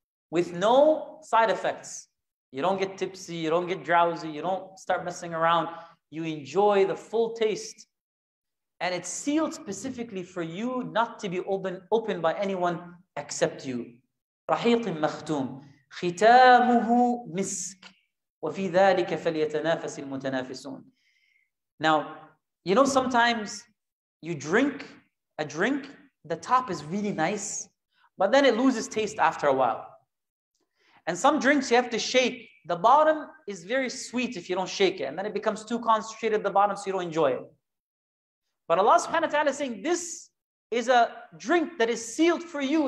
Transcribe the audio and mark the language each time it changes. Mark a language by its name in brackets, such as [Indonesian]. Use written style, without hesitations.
[English] With no side effects. You don't get tipsy, you don't get drowsy, you don't start messing around. You enjoy the full taste. And it's sealed specifically for you not to be open by anyone except you. [Arabic] رحيق مختوم ختامه مسك وفي ذلك فليتنافس المتنافسون. [English] Now, you know, sometimes you drink a drink, the top is really nice, but then it loses taste after a while. And some drinks you have to shake. The bottom is very sweet if you don't shake it. And then it becomes too concentrated at the bottom, so you don't enjoy it. But Allah subhanahu wa ta'ala is saying, this is a drink that is sealed for you.